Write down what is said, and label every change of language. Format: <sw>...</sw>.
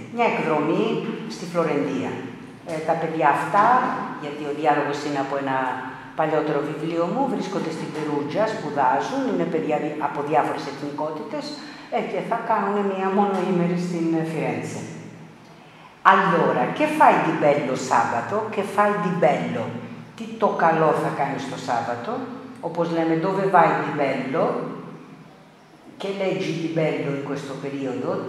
<el>Μια εκδρομή στη Φλωρεντία. Τα παιδιά αυτά, γιατί ο διάλογος είναι από ένα παλιότερο βιβλίο μου, βρίσκονται στην Περούτζα, σπουδάζουν, είναι παιδιά από διάφορες εθνικότητες και θα κάνουν μία μονοήμερη στην Φιρέντσε.</el> <it>Allora, che fai di bello sabato? Che fai di bello?</it> <el>Τι το καλό θα κάνεις το Σάββατο? Όπως λέμε,</el> <it>dove vai di bello? Che leggi di bello in questo periodo?</it>